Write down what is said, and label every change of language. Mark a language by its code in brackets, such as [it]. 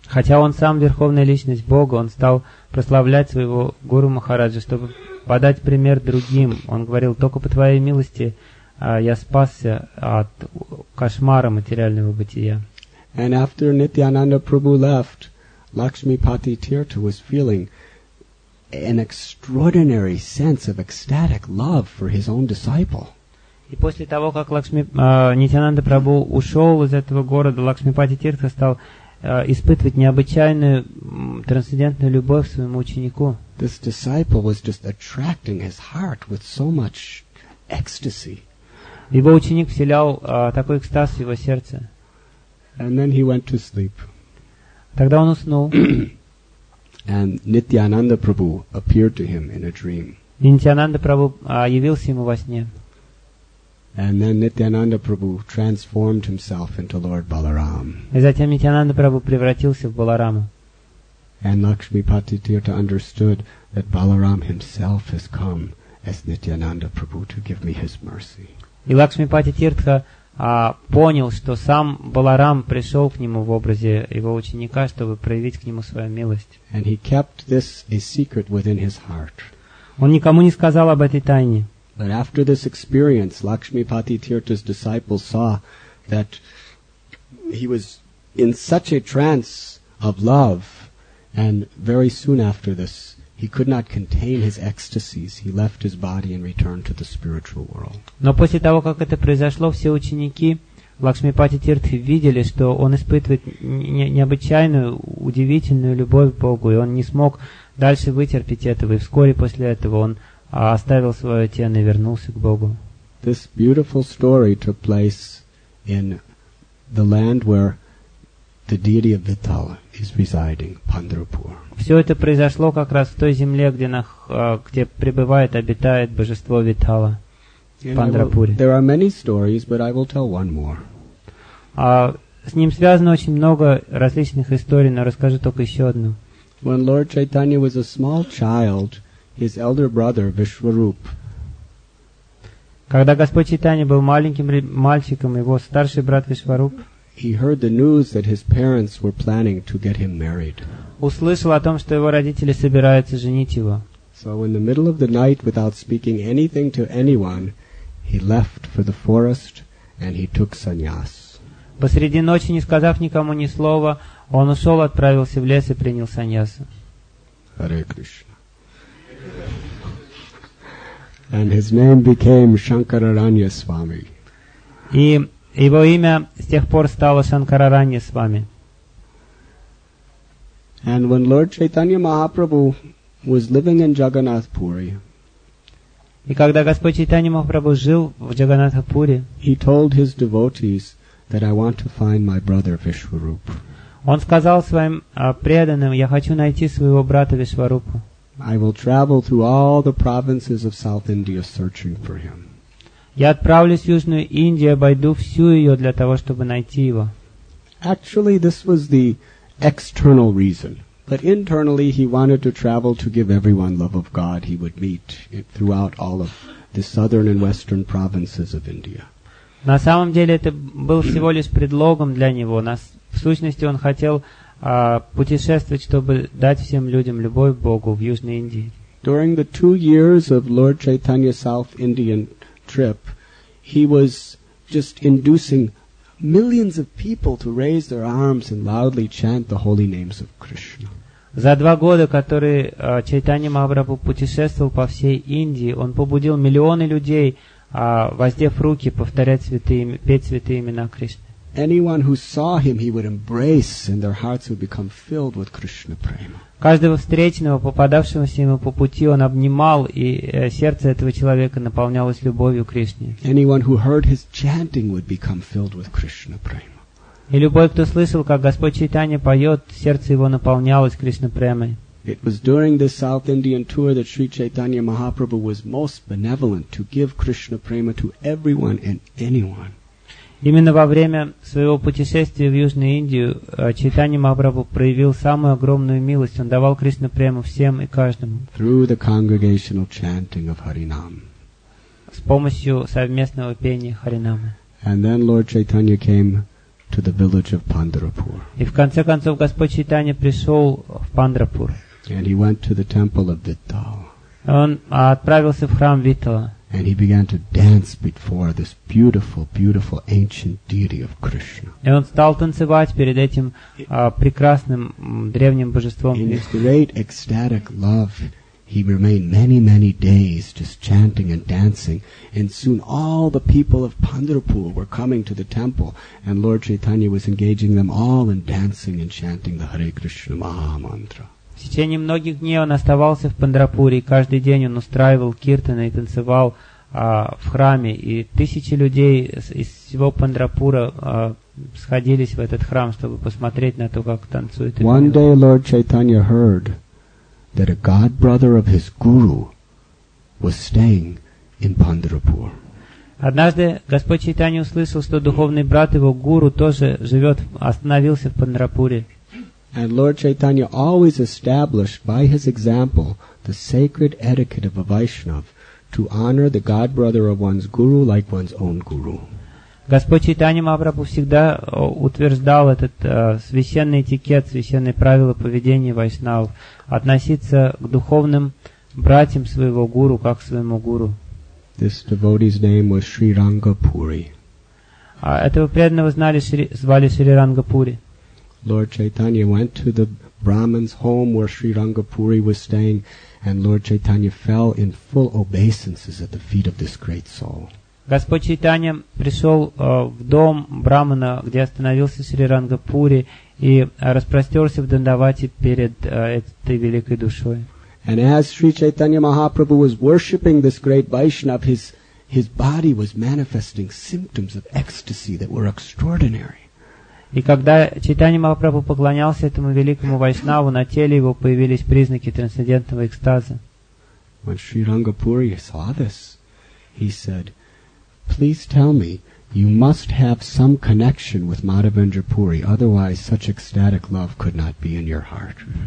[ru] Хотя он сам верховная личность Бога, он стал прославлять своего Гуру Махараджа, чтобы подать пример другим. Он говорил, только по твоей милости я спасся от кошмара материального бытия. [en] And after Nityananda Prabhu left, Lakshmipati Tirtha was feeling an extraordinary sense of ecstatic love for his own disciple. [ru] И после того, как Нитьянанда Прабху ушел из этого города, Лакшмипати Тиртха стал испытывать необычайную трансцендентную любовь к своему ученику. [en] This disciple was just attracting his heart with so much ecstasy. [ru] Его ученик вселял такой экстаз в его сердце. [en] And then he went to sleep. [ru] Тогда он уснул. [en] And Nityananda Prabhu appeared to him in a dream. [ru] Нитьянанда Прабху явился ему во сне. [en] And then Nityananda Prabhu transformed himself into Lord Balaram. [ru] И затем Нитьянанда Прабху превратился в Баларама. [en] And Lakshmipati Tirtha understood that Balaram himself has come as Nityananda Prabhu to give me his mercy. [ru] И Лакшмипати Тиртха понял, что сам Баларам пришел к нему в образе его ученика, чтобы проявить к нему свою милость. [en] And he kept this a secret within his heart. [ru] Он никому не сказал об этой тайне. [en] But after this experience, Lakshmipati Tirtha's disciples saw that he was in such a trance of love, and very soon after this, he could not contain his ecstasies. He left his body and returned to the spiritual world. [ru] Но после того, как это произошло, все ученики Лакшмипати Тиртхи видели, что он испытывает необычайную, удивительную любовь к Богу, и он не смог дальше вытерпеть этого. И вскоре после этого он оставил свое тело и вернулся к Богу. [en] This beautiful story took place in the land where the deity of Vitala is residing, Pandharpur. [ru] Все это произошло как раз в той земле, где пребывает, обитает божество Витала, Пандрапури. [en] There are many stories, but I will tell one more. [ru] С ним связано очень много различных историй, но расскажу только еще одну. [en] When Lord Chaitanya was a small child, his elder brother Vishwarup. [ru] Когда Господь Чайтанья был маленьким мальчиком, его старший брат Вишварупа. [en] He heard the news that his parents were planning to get him married. [ru] Услышал о том, что его родители собираются женить его. [en] So in the middle of the night, without speaking anything to anyone, he left for the forest and he took sannyas. [ru] Посреди ночи, не сказав никому ни слова, он ушел, отправился в лес и принял саньяс. [en] Hare Krishna. And his name became Shankararanya Swami. [ru] И его имя с тех пор стало Шанкарарани с вами. [en] And when Lord Chaitanya Mahaprabhu was living in Jagannath Puri, [ru] и когда Господь Чайтанья Махапрабху жил в Джаганнатхапуре, [en] he told his devotees that I want to find my brother Vishwarup. [ru] Он сказал своим преданным, я хочу найти своего брата Вишварупу. [en] I will travel through all the provinces of South India searching for him. [ru] Я отправлюсь в Южную Индию, обойду всю ее для того, чтобы найти его. [en] Actually, this was the external reason. But internally, he wanted to travel to give everyone love of God he would meet throughout all of the southern and western provinces of India. [ru] На самом деле, это был всего лишь предлогом для него. В сущности, он хотел путешествовать, чтобы дать всем людям любовь к Богу в Южной Индии. [en] During the 2 years of Lord Chaitanya's South Indian trip, he was just inducing millions of people to raise their arms and loudly chant the holy names of Krishna. [ru] За 2 года, которые Чайтанья Махапрабху путешествовал по всей Индии, он побудил миллионы людей, воздев руки, повторять святые, петь святые имена Кришны. [en] Anyone who saw him, he would embrace, and their hearts would become filled with Krishna prema. [ru] Каждого встречного, попадавшегося ему по пути, он обнимал, и сердце этого человека наполнялось любовью к Кришне. [en] Anyone who heard his chanting would become filled with Krishna prema. [ru] И любой, кто слышал, как Господь Чайтанья поет, сердце его наполнялось Кришна премой. [en] It was during this South Indian tour that Sri Chaitanya Mahaprabhu was most benevolent to give Krishna prema to everyone and anyone. [ru] Именно во время своего путешествия в Южную Индию Чайтанья Махапрабху проявил самую огромную милость. Он давал Кришна прему всем и каждому. [en] Through the congregational chanting of Harinam. [ru] С помощью совместного пения Харинамы. [en] And then Lord Chaitanya came to the village of Pandharpur. [ru] И в конце концов Господь Чайтанья пришел в Пандрапур. [en] And he went to the temple of Vittal. [ru] Он отправился в храм Виттала. [en] And he began to dance before this beautiful, beautiful ancient deity of Krishna. [ru] И он стал танцевать перед этим прекрасным древним божеством. [en] In his great ecstatic love, he remained many, many days just chanting and dancing. And soon all the people of Pandharpur were coming to the temple, and Lord Chaitanya was engaging them all in dancing and chanting the Hare Krishna Maha Mantra. [ru] В течение многих дней он оставался в Пандрапуре, и каждый день он устраивал киртаны и танцевал в храме, и тысячи людей из всего Пандрапура сходились в этот храм, чтобы посмотреть на то, как танцует. [en] One day Lord Chaitanya heard that a god brother of his guru was staying in Pandrapur. [ru] Однажды Господь Чайтанья услышал, что духовный брат его гуру тоже живет, остановился в Пандрапуре. [en] And Lord Chaitanya always established by his example the sacred etiquette of a Vaishnava to honor the god brother of one's guru like one's own guru. [ru] Господь Чайтанья Махапрабху всегда утверждал этот священный этикет, священные правила поведения вайшнав, относиться к духовным братьям своего гуру, как к своему гуру. [en] This devotee's name was Sri Rangapuri. [ru] Этого преданного звали Шри Рангапури. [en] Lord Chaitanya went to the Brahmin's home where Sri Rangapuri was staying, and Lord Chaitanya fell in full obeisances at the feet of this great soul. [ru] Господь Чайтанья пришел в дом Брамана, где остановился Шри Рангапури, и распростерся в дандавате перед этой великой душой. [en] And as Sri Chaitanya Mahaprabhu was worshipping this great Vaishnav, his body was manifesting symptoms of ecstasy that were extraordinary. [ru] И когда Чайтанья Махапрабху поклонялся этому великому Вайшнаву, на теле его появились признаки трансцендентного экстаза. [en] When Sri Rangapuri saw this, he said, "Please tell me, you must have some connection with Madhavendra Puri, otherwise such ecstatic love could not be in your heart."